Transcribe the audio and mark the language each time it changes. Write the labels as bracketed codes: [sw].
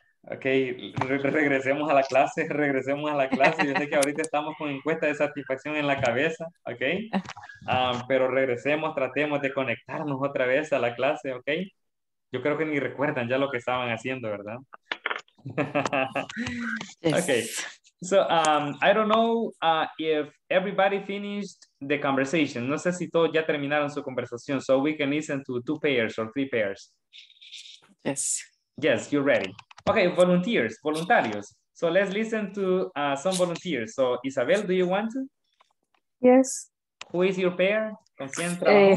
[es] Okay, regresemos a la clase. Yo sé que ahorita estamos con encuesta de satisfacción en la cabeza, okay? Pero regresemos, tratemos de conectarnos otra vez a la clase, okay? Yo creo que ni recuerdan ya lo que estaban haciendo, ¿verdad? [en] Yes. Okay. So, I don't know if everybody finished the conversation. [es] No sé si todos ya terminaron su conversación. [en] So we can listen to two pairs or three pairs. Yes. Yes, you're ready. Okay, volunteers, voluntarios. So let's listen to some volunteers. So Isabel, do you want to? Yes. Who is your pair? Concentra.